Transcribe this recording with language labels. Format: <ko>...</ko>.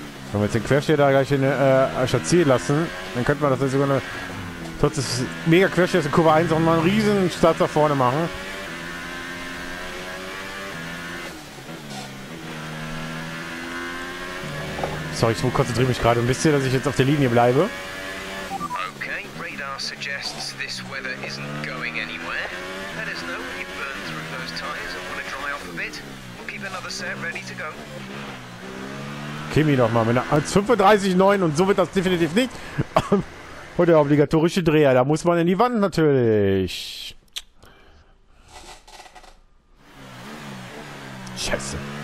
<de>Wenn wir jetzt den Quersteher da gleich in Schatzier lassen, dann könnte man das sogar eine. Trotz des mega Quersteher in Kurve 1 auch mal einen riesen Start da vorne machen. Sorry, ich konzentriere mich gerade ein bisschen, dass ich jetzt auf der Linie bleibe.</de> <en>Okay, Radar suggests this weather isn't going anywhere. Let us know when you burn through those tires and want to dry off a bit. We'll keep another set ready to go.</en> <de>Kimi noch mal mit einer 35,9 und so wird das definitiv nicht. Und der obligatorische Dreher, da muss man in die Wand natürlich. Scheiße.</de>